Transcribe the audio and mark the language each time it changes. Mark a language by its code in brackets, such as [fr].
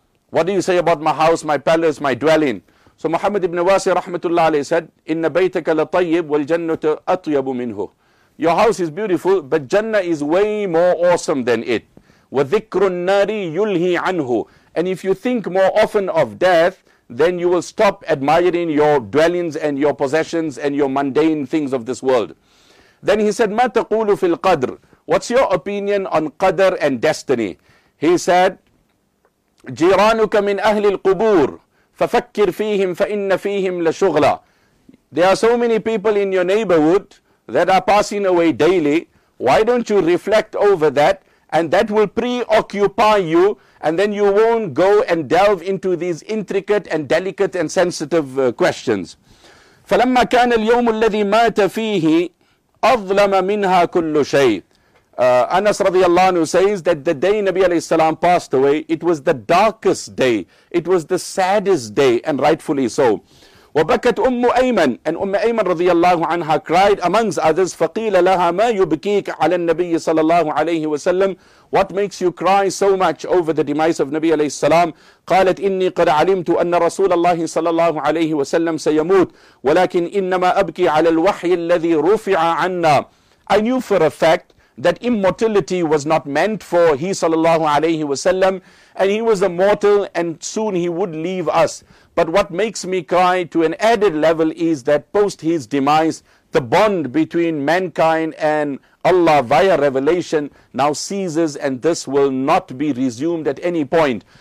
[en] What do you say about my house, my palace, my dwelling? So Muhammad ibn Wasi' rahmatullah alayhi said, [ar] إن بيتك لطيب والجنة أطيب منه. [en] Your house is beautiful, but Jannah is way more awesome than it. [ar] وَذِكْرُ النَّارِ يُلْهِ عَنْهُ. [en] And if you think more often of death, then you will stop admiring your dwellings and your possessions and your mundane things of this world. Then he said, [ar] مَا تَقُولُ فِي الْقَدْرِ. [en] What's your opinion on qadr and destiny? He said, [ar] جِيرَانُكَ مِنْ أَهْلِ الْقُبُورِ فَفَكِّرْ فِيهِمْ فَإِنَّ فِيهِمْ لَشُغْلًا. [en] There are so many people in your neighborhood that are passing away daily. Why don't you reflect over that and that will preoccupy you, and then you won't go and delve into these intricate and delicate and sensitive questions. [ar] فَلَمَّا كَانَ الْيَوْمُ الَّذِي مَاتَ فِيهِ أَظْلَمَ مِنْهَا كُلُّ شَيْءٍ. [en] Anas radiallahu anhu says that the day Nabi alayhi salam passed away, it was the darkest day, it was the saddest day, and rightfully so. [ar] وَبَكَتْ أُمُّ أَيْمَنَ, [en] and Umm Ayman radiallahu anha cried amongst others. [ar] فَقِيلَ لَهَا مَا يُبْكِيكَ عَلَى النَّبِيِّ صَلَى اللَّهُ عَلَيْهِ وَسَلَّمَ. [en] What makes you cry so much over the demise of Nabi alayhi salam? [ar] قالت إني قد علمت أن رسول الله صلى الله عليه وسلم سيموت ولكن إنما أبكي على الوحي الذي رفع عنا. [en] I knew for a fact that immortality was not meant for he صلى الله عليه وسلم, and he was a mortal and soon he would leave us. But what makes me cry to an added level is that post his demise, the bond between mankind and Allah via revelation now ceases, and this will not be resumed at any point.